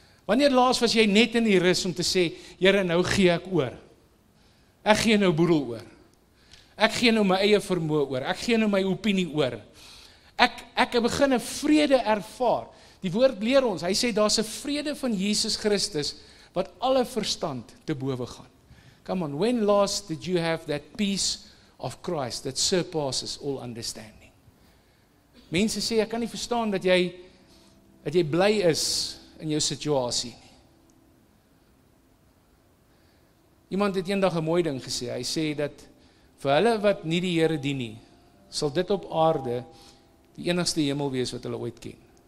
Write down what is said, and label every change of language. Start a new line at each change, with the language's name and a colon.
Afrikaans: Wanneer laas was jy net in die rus om te sê, Here, nou gee ek oor. Ek gee nou boedel oor. Ek gee nou my eie vermoë oor. Ek gee nou my opinie oor. Ek begin 'n vrede ervaar. Die woord leer ons, hy sê daar's 'n vrede van Jesus Christus wat alle verstand te bowe gaan.
English: Come on, when last did you have that peace of Christ that surpasses all understanding?
Afrikaans: Mense sê, ek kan nie verstaan dat jy bly is in jou situasie nie. Iemand het eendag 'n mooi ding gesê, hy sê dat vir hulle wat nie die Here dien nie, sal dit op aarde die enigste hemel wees wat hulle ooit ken.